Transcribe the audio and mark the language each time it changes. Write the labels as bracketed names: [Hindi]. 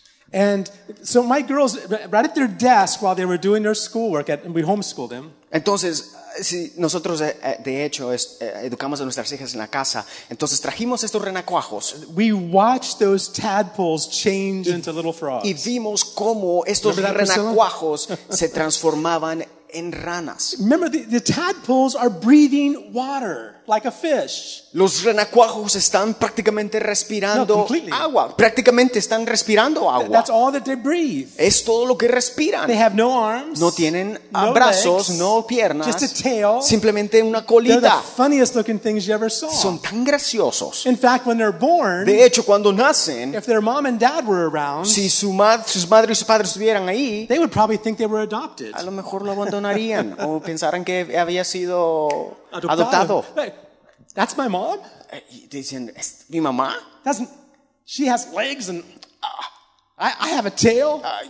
[English] And so my girls, right at their desk while they were doing their schoolwork, we homeschooled them. [Spanish] Entonces, si nosotros de hecho educamos a nuestras hijas en la casa, entonces trajimos estos renacuajos. [English] We watched those tadpoles change into little frogs. [Spanish] Y vimos cómo estos renacuajos se transformaban en ranas. [English] Remember, the tadpoles are breathing water. Like a fish. [Spanish] Los renacuajos están prácticamente respirando agua. Prácticamente están respirando agua. [English] That's all that they breathe. [Spanish] Es todo lo que respiran. [English] They have no arms. [Spanish] No tienen brazos, no piernas. [English] Just a tail. [Spanish] Simplemente una colita. [English] They're the funniest looking things you ever saw. [Spanish] Son tan graciosos. [English] In fact, when they're born, [Spanish] de hecho, cuando nacen, [English] if their mom and dad were around, [Spanish] si sus madres y sus padres estuvieran ahí, [English] they would probably think they were adopted. [Spanish] A lo mejor lo abandonarían o pensaran que había sido adoptado. [English] That's my mom? [Spanish] Dicen, ¿es mi mamá? [English] She has legs and I have a tail.